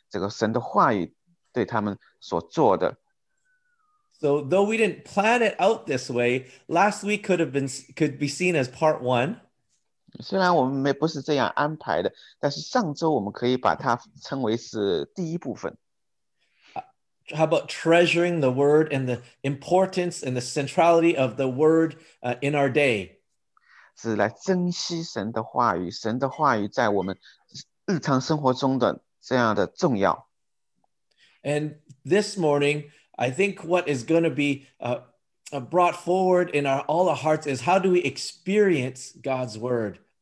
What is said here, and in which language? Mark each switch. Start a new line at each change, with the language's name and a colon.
Chinese: 这一周也是在周间的时候也是继续感受到这样一种渴慕，当于不同的人在来做见证，来分享神在他们生命中这个神的话语对他们所做的。
English: So though we didn't plan it out this way, last week could be seen as part one.
Chinese: 虽然我们不是这样安排的，但是上周我们可以把它称为是第一部分。
English: How about treasuring the word and the importance and the centrality of the word in our day?
Chinese: 是来珍惜神的话语，神的话语在我们日常生活中的这样的重要。
English: And this morning, I think what is going to be brought forward in all our hearts is how do we experience God's word?